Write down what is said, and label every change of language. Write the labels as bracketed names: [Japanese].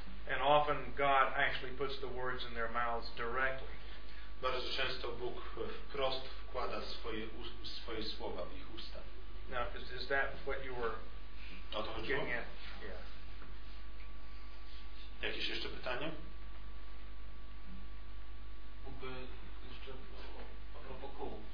[English] And often God actually puts the words in their mouths directly. [Polish] Bardzo często Bóg wprost wkłada swoje słowa w ich usta. [English] Now, is that what you were getting at? Yeah. [Polish] Jakieś jeszcze pytanie? Mógłby jeszcze a propos kół.